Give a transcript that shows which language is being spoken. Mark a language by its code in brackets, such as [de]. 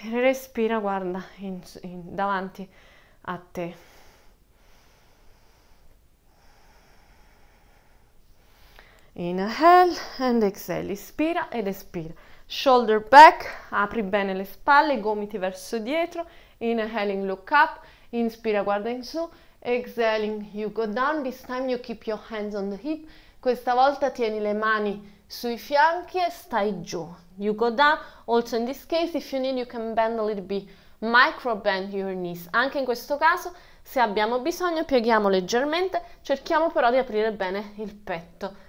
[it] Respira, guarda davanti a te. [en] Inhale and exhale, [it] ispira ed espira. [en] Shoulder back, [it] apri bene le spalle, gomiti verso dietro. [en] Inhaling, look up. [it] Inspira, guarda in su. [en] Exhaling, you go down. This time you keep your hands on the hip. [it] Questa volta tieni le mani sui fianchi e stai giù. [en] You go down. Also in this case, if you need, you can bend a little bit. Micro bend your knees. [it] Anche in questo caso, Se abbiamo bisogno, pieghiamo leggermente, cerchiamo però di aprire bene il petto.